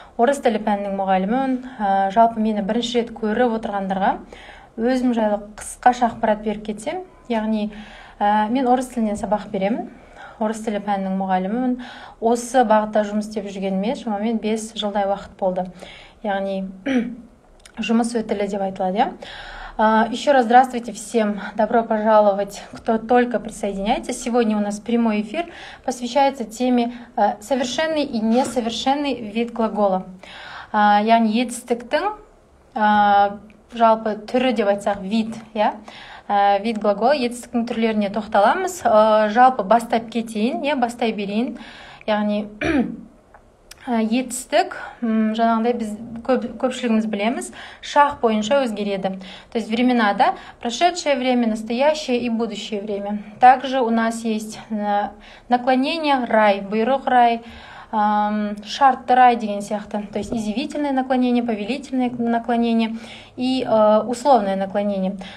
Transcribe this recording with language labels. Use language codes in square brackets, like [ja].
[kk] Орыс тілі пәнінің мұғалімімін. Жалпы мені бірінші рет көріп отырғандарға өзім жайлы қысқаша ақпарат беріп кетсем. Яғни мен орыс тілінен сабақ беремін. Орыс тілі пәнінің мұғалімімін. Осы бағытта жұмыс істеп жүргеніме шамамен 5 жылдай уақыт болды. Яғни жұмыс өтілі деп айтылады, иә? [ru] Еще раз здравствуйте всем, добро пожаловать, кто только присоединяется. Сегодня у нас прямой эфир посвящается теме совершенный и несовершенный вид глагола. [kk] Яғни етістіктің, жалпы түрі деп айтсақ, [ru] вид, я вид глагола, [kk] етістіктің түрлеріне тоқталамыз. Жалпы бастап кетейін, я бастай берейін. Яғни етістік, жаңағындай біз көпшілігіміз білеміз, шақ бойынша өзгереді. [ru] То есть времена, да? Прошедшее время, настоящее и будущее время. Также у нас есть наклонение, рай, [kk] бұйрық рай, шартты рай деген сияқты. [ru] То есть изъявительное наклонение, повелительное наклонение и условное наклонение.